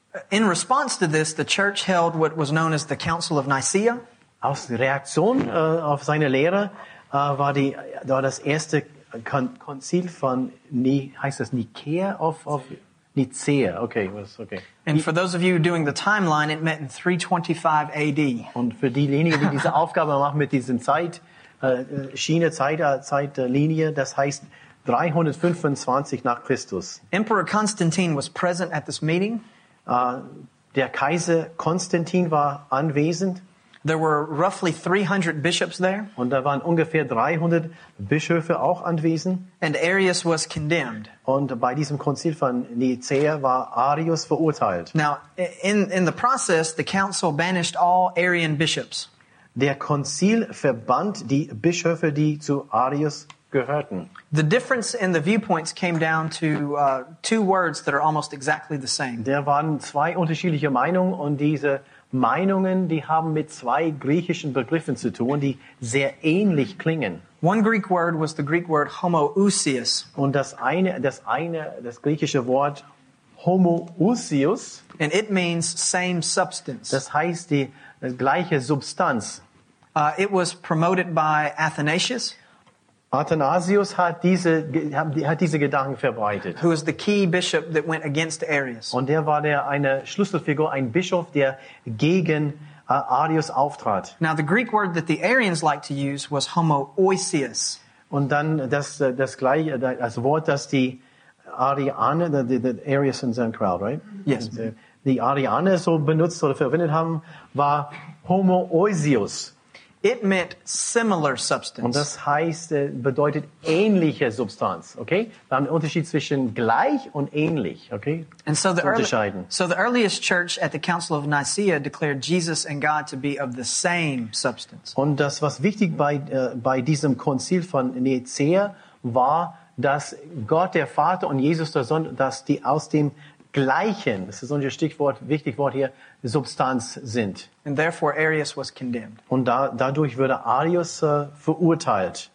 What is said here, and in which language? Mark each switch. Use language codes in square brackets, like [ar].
[en] In response to this, the church held what was known as the Council of Nicaea. [de] Aus Reaktion auf seine Lehre war die da das erste Konzil von Nicaea auf Nicaea. [en] Okay, was okay. And for those of you doing the timeline, it met in 325 AD. [de] Und für diejenigen, die diese Aufgabe machen mit diesem Zeitlinie, das heißt 325 nach Christus. [en] Emperor Constantine was present at this meeting. [de] Der Kaiser Konstantin war anwesend. [en] There were roughly 300 bishops there. [de] Und da waren ungefähr 300 Bischöfe auch anwesend. [en] And Arius was condemned. [de] Und bei diesem Konzil von Nicaea war Arius verurteilt. [en] Now, in the process, the council banished all Arian bishops. [de] Der Konzil verbannt die Bischöfe, die zu Arius gehörten. [en] The difference in the viewpoints came down to two words that are almost exactly the same. [de] Da waren zwei unterschiedliche Meinungen und diese Meinungen, die haben mit zwei griechischen Begriffen zu tun, die sehr ähnlich klingen. [en] One Greek word was the Greek word homoousios. [de] Und das griechische Wort homoousios. [en] And it means same substance. [de] Das heißt die gleiche Substanz. [en] It was promoted by Athanasius. [de] Athanasius hat diese Gedanken verbreitet. [en] Who is the key bishop that went against Arius? [de] Und der war der eine Schlüsselfigur, ein Bischof, der gegen Arius auftrat. [en] Now the Greek word that the Arians liked to use was homoousios. [de] Und dann das Wort, das die Arianer, the Arius in seinem [en] crowd, right? Yes. [de] Die Arianer so benutzt oder verwendet haben, war homoousios. [en] It meant similar substance. [de] Und das heißt, bedeutet ähnliche Substanz. Okay? Wir haben einen Unterschied zwischen gleich und ähnlich. Okay? [en] And so the earliest church at the Council of Nicaea declared Jesus and God to be of the same substance. [de] Und das, was wichtig bei diesem Konzil von Nicaea war, dass Gott der Vater und Jesus der Sohn, dass die aus dem gleichen, das ist unser Stichwort, wichtig Wort hier, Substanz sind. [en] And therefore Arius was condemned. [de] Und dadurch wurde Arius verurteilt.